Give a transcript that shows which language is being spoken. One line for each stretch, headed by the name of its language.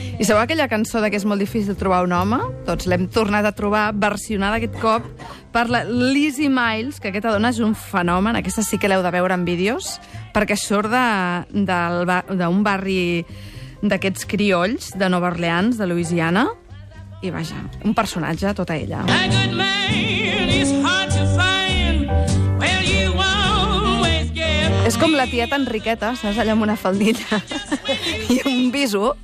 Catalan: I sabeu aquella cançó de que és molt difícil trobar un home? Doncs l'hem tornat a trobar, versionada aquest cop, per la Lizzie Miles, que aquesta dona és un fenomen, aquesta sí que l'heu de veure en vídeos, perquè surt d'un barri d'aquests criolls de Nova Orleans, de Louisiana, i vaja, un personatge, tota ella.
English: A good man is hard to find. Well, you always get me.
Catalan: És com la tieta Enriqueta, saps, allà amb una faldilla i un biso.